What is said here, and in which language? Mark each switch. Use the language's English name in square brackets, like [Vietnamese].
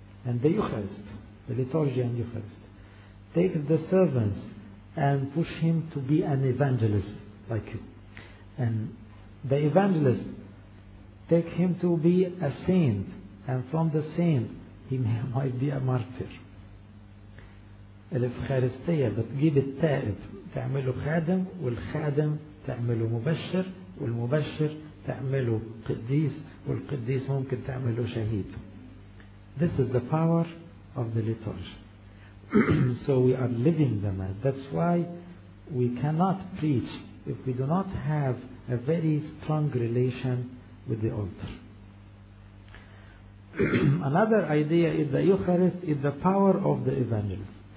[English] And the Eucharist, the liturgy and Eucharist, take the servants and push him to be an evangelist like you. And the evangelist, take him to be a saint. And from the saint, he might be a martyr. [Arabic] الإفخارستية بتجيب التائب تعمله خادم, والخادم تعمله مبشر, والمبشر تعمله قديس, والقديس ممكن تعمله شهيد. [English] This is the power of the liturgy. So we are living the Mass. That's why we cannot preach if we do not have a very strong relation with the altar. Another idea is the Eucharist is the power of the evangelist.